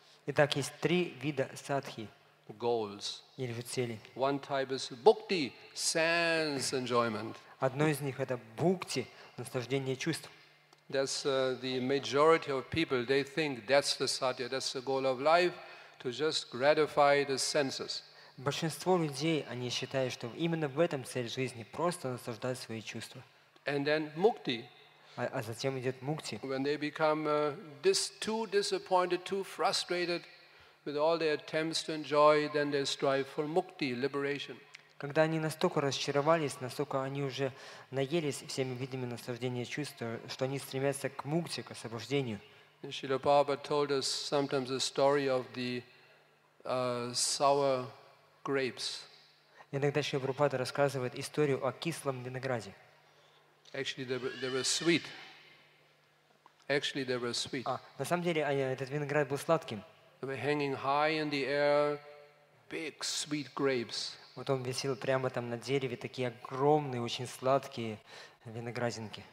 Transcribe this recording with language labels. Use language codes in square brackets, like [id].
[ru] Итак, есть три вида садхи. [en] Goals. [ru] Или же цели. [en] One type is bhakti, sense enjoyment. [ru] Одно из них это бхакти, наслаждение чувств. [en] That's the majority of people. They think that's the satya, that's the goal of life, to just gratify the senses. [ru] Большинство людей они считают, что именно в этом цель жизни просто наслаждать свои чувства. [en] And then mukti. [ru] А затем идет мукти. [en] When they become too disappointed, too frustrated. With all their attempts to enjoy, then they strive for mukti, liberation. [ru] Когда они настолько разочаровались, настолько они уже наелись всеми видами наслаждения чувств, что они стремятся к мукти, к освобождению. [en] Шриле Прабхупада told us sometimes a story of the sour grapes. [ru] Иногда Шриле Прабхупада рассказывает историю о кислом винограде. [en] Actually, they were sweet. Actually, they were sweet. [ru] А на самом деле этот виноград был сладким. [en] They were hanging high in the air, big sweet grapes. [ru] Вот он висел прямо там на дереве такие огромные, очень сладкие виноградинки.